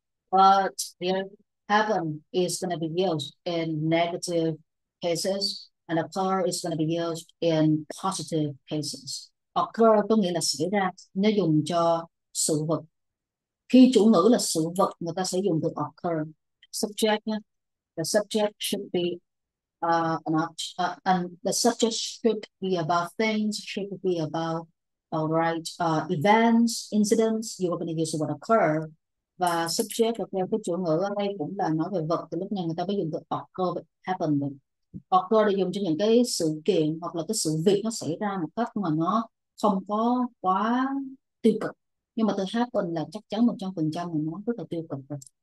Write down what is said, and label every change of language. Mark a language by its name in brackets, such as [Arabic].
[English] But the happen is going to be used in negative cases, and occur is going to be used in positive cases. [Vietnamese] Occur có nghĩa là xảy ra, nó dùng cho sự vật. Khi chủ ngữ là sự vật, người ta sẽ dùng từ occur. Subject nhé. [English] The subject should be and the subject should be about things, should be about all right, events, incidents, you are going to use the word occur. [Vietnamese] Và subject là theo cái chủ ngữ ở đây cũng là nói về vật, thì lúc này người ta mới dùng từ occur, happen. Occur là dùng cho những cái sự kiện hoặc là cái sự việc nó xảy ra một cách mà nó không có quá tiêu cực. Nhưng mà từ happen là chắc chắn 100% mình nói rất là tiêu cực rồi.